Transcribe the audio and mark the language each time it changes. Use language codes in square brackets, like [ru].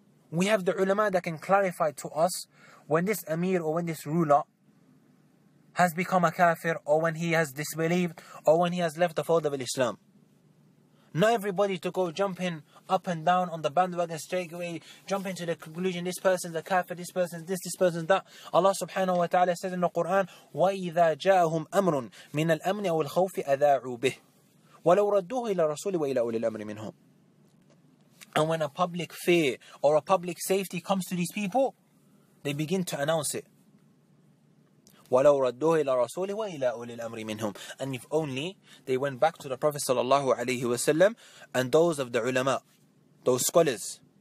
[en] We have the ulama that can clarify to us when this amir or when this ruler has become a kafir, or when he has disbelieved, or when he has left the fold of Islam. Not everybody to go jumping up and down on the bandwagon straight away, jumping to the conclusion, this person's a kafir, this person's this person's that. Allah subhanahu wa ta'ala says in the Quran, [ar] وَإِذَا جَاءَهُمْ أَمْرٌ مِنَ الْأَمْنِ أَوْ الْخَوْفِ أَذَاعُوا بِهِ وَلَوْ رَدُّوهُ إِلَى الرَّسُولِ وَإِلَى أُولِي الْأَمْرِ مِنْهُمْ. [en] And when a public fear or a public safety comes to these people, they begin to announce it. [ar] وَلَوْ رَدُّوهُ إِلَى الرَّسُولِ وَإِلَى أُولِي الْأَمْرِ مِنْهُمْ. [en] And if only they went back to the Prophet sallallahu alayhi wasallam and those of the ulama, those scholars.